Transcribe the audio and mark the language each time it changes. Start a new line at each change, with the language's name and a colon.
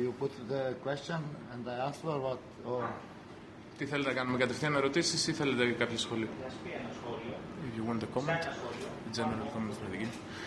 English: You put the question and I answer what. Or...
Greek: Τι θέλετε να κάνουμε, κατευθείαν ερωτήσεις ή θέλετε κάποιο σχόλιο?
English: If you want a comment, a general comment from the beginning.